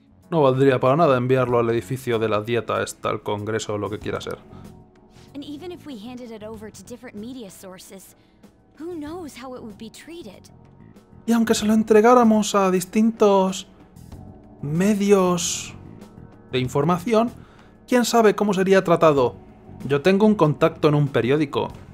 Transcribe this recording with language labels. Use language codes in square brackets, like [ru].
[es] No valdría para nada enviarlo al edificio de la dieta, está el congreso o lo que quiera ser. [en] And even if we handed it over to different media sources, who knows how it would be treated? [es] Y aunque se lo entregáramos a distintos medios de información, ¿quién sabe cómo sería tratado? Yo tengo un contacto en un periódico.